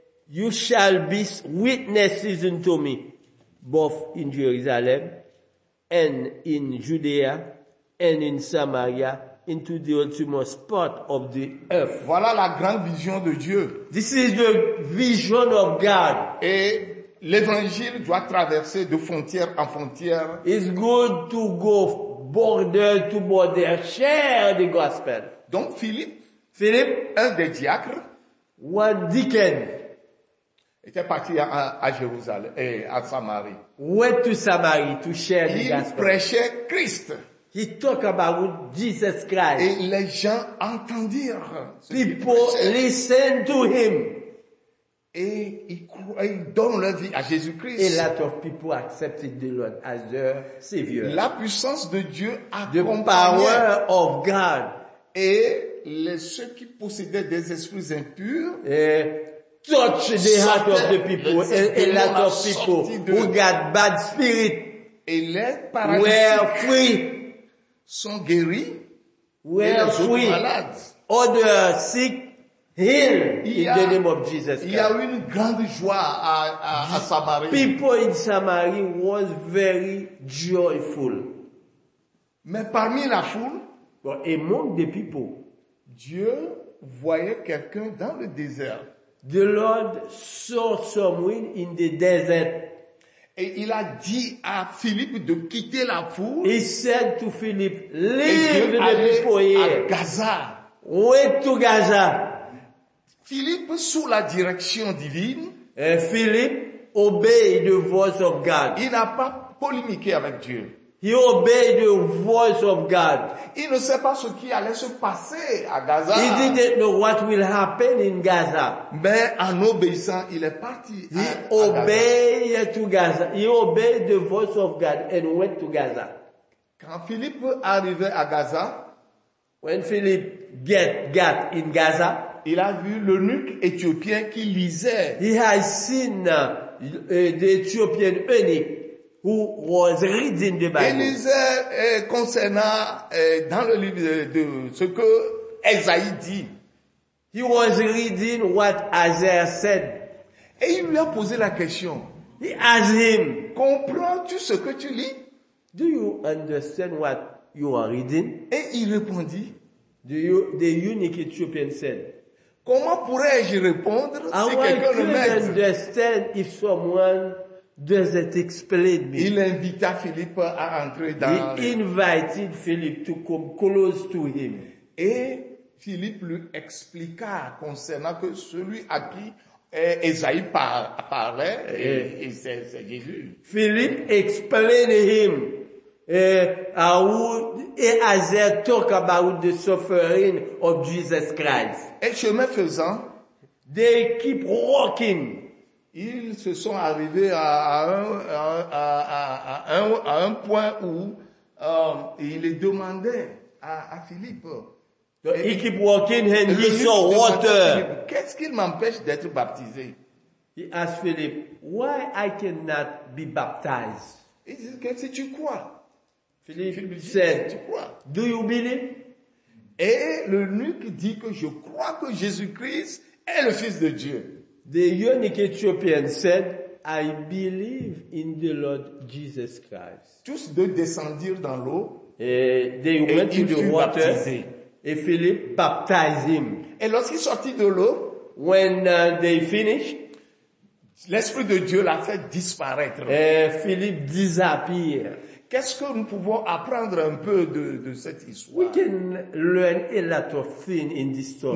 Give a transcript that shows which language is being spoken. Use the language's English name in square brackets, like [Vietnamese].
[English] You shall be witnesses unto me, both in Jerusalem, and in Judea, and in Samaria, into the uttermost part of the earth. [French] Voilà la grande vision de Dieu. [English] This is the vision of God. [French] Et l'évangile doit traverser de frontière en frontière. [English] It's good to go border to border, share the gospel. [French] Donc Philippe, un des diacres, [English] one deacon, [French] était parti à Jérusalem et à Samarie. [English] Went to Samarie to share the gospel. [French] Il prêchait Christ. [English] He talked about Jesus Christ. [French] Et les gens entendirent. [English] People listened to him. [French] Et ils donnent leur vie à Jésus Christ. [English] A lot of people accepted the Lord as their savior. [French] La puissance de Dieu a [English] The power of God. [French] Et les ceux qui possédaient des esprits impurs [English] touch the heart of the people a lot of people who got bad spirit [French] et les paralysés sont guéris [English] were [French] et les [English] free. [French] Malades [English] other sick healed in the name of Jesus Christ. [French] Il y a une grande joie à Samarie. [English] People in Samarie was very joyful. [French] Mais parmi la foule [English] But among the people, [French] Dieu voyait quelqu'un dans le désert. [English] The Lord saw someone in the desert. [French] Et il a dit à Philippe de quitter la foule. [English] He said to Philip, leave the people here. [French] À Gaza. [English] Went to Gaza. [French] Philippe, sous la direction divine. [English] Et Philippe obeyed the voice of God. [French] Il n'a pas polémiqué avec Dieu. [English] He obeyed the voice of God. [French] Il ne sait pas ce qui allait se passer à Gaza. [English] He didn't know what will happen in Gaza. [French] Mais en obéissant, il est parti [English] He obeyed to Gaza. He obeyed the voice of God and went to Gaza. [French] Quand Philippe arrivait à Gaza, [English] When Philip got in Gaza, [French] il a vu l'eunuque éthiopien qui lisait. [English] He has seen the Ethiopian eunuch who was reading the Bible. [French] Il lisait concernant dans le livre de ce que Esaïe dit. [English] He was reading what Isaiah said. [French] Et il lui a posé la question. [English] He asked him, [French] comprends-tu ce que tu lis? [English] Do you understand what you are reading? [French] Et il répondit, [English] the eunuque Ethiopian said, [French] comment pourrais-je répondre si quelqu'un le maître? [English] I couldn't understand if someone doesn't explain me. [French] Il invita Philippe à entrer dans. [English] He invited Philip to come close to him. [French] Et Philippe lui expliqua concernant que celui à qui Esaïe parlait, et c'est Jésus. [English] Philippe explained him how Isaiah talk about the suffering of Jesus Christ. [French] Et chemin faisant, [English] they keep walking. [French] Ils se sont arrivés à un point où il est demandé à Philippe. [English] So he keep walking and he saw water. [French] Qu'est-ce qui m'empêche d'être baptisé? [English] He asked Philip, why I cannot be baptized? He said, [French] qu'est-ce que tu crois? [English] Philip said, [French] tu crois? [English] Do you believe? [French] Et le eunuque dit que je crois que Jésus-Christ est le Fils de Dieu. [English] The eunuque Ethiopian said, I believe in the Lord Jesus Christ. [French] Tous deux descendirent dans l'eau. [English] They went to the water. [French] Baptisé. Et Philippe baptise [English] him. [French] Et lorsqu'il sortit de l'eau, [English] when they finish, [French] l'Esprit de Dieu l'a fait disparaître. [English] Et Philippe disappear. [French] Qu'est-ce que nous pouvons apprendre un peu de cette histoire? [English] We can learn a lot of things in this story.